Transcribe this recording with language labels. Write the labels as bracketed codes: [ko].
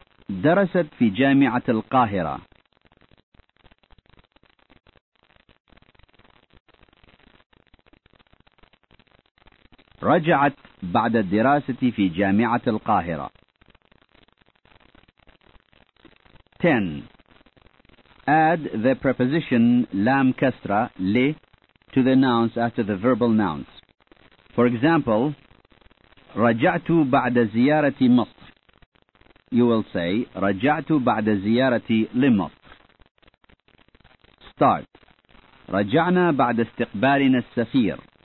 [ar] درست في جامعة القاهرة. رجعت بعد الدراسة في جامعة القاهرة. [en] 10. Add the preposition لام كسرة ل to the nouns after the verbal nouns. For example, [ar] رجعت بعد زيارة مصر. [en] You will say [ar] رجعت بعد زيارة لمصر. [en] Start. [ar] رجعنا بعد استقبالنا السفير.